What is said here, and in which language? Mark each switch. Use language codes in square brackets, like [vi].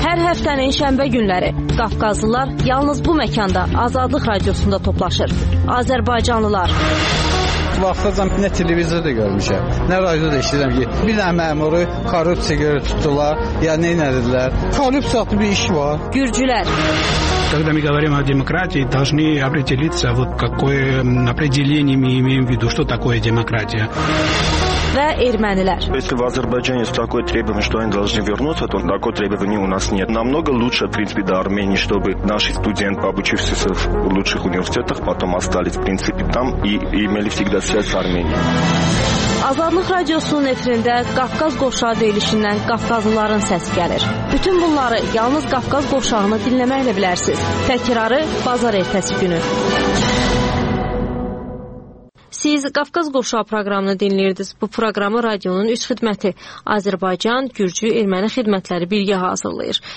[az] Həftənin şənbə günləri Qafqazlılar yalnız bu məkanda Azadlıq radiosunda toplaşır. Azərbaycanlılar. Vaxtacam nə televizorda görmüşəm, nə radioda işləyirəm ki, bir dənə məmuru korrupsiya görə tutdular, ya nə edirlər? Korrupsiya bir iş var. Gürcülər. [ru] Когда мы говорим о демократии, должны определиться, вот какое определение мы имеем в виду, что такое демократия. [az] Və ermənilər. [ru] Если в Азербайджане есть такое требование, что они должны вернуться, то такое требование у нас нет. Намного лучше, в принципе, до Армении, чтобы наши студенты, обучившиеся в лучших университетах, потом остались, в принципе, там и имели всегда связь с Арменией. [az] Azadlıq radiosunun efirində Qafqaz qovşağı deyilişindən Qafqazlıların səsi gəlir. Bütün bunları yalnız Qafqaz qovşağını dinləməklə bilərsiniz. Təkrarı bazar ertəsi günü. Siz Qafqaz Qovşağı proqramını dinləyirdiniz. Bu proqramı radionun üst xidməti Azərbaycan, Gürcü, Erməni xidmətləri birgə hazırlayır.